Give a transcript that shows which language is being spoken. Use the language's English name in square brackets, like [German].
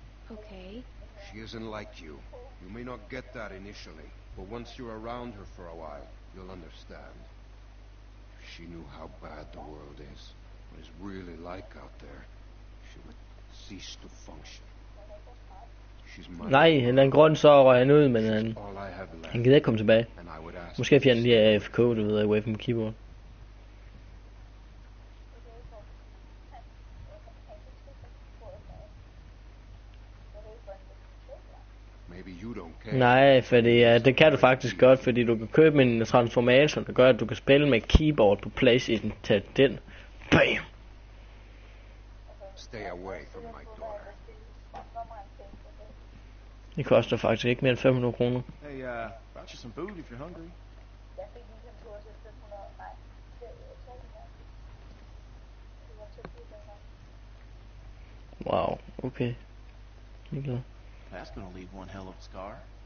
[English] Okay. She isn't like you. You may not get that initially, but once you're around her for a while, you'll understand. If she knew how bad the world is, what it's really like out there, she would cease to function. She's my [Danish] nej, en eller anden grund så røg han ud, men han gider ikke komme tilbage. Måske fjerne lige AFK, du ved, [English] away from keyboard. Maybe you don't care. [Danish] Nej, fordi ja, det kan du faktisk godt, fordi du kan købe en transformation, der gør, at du kan spille med keyboard på place i den. Tag den. Bam! [English] Stay away from my daughter. [Danish] Det koster faktisk ikke mere end 500 kroner. [English] Hey, brought you some food if you're hungry. Wow, okay. That's gonna leave one hell of a scar.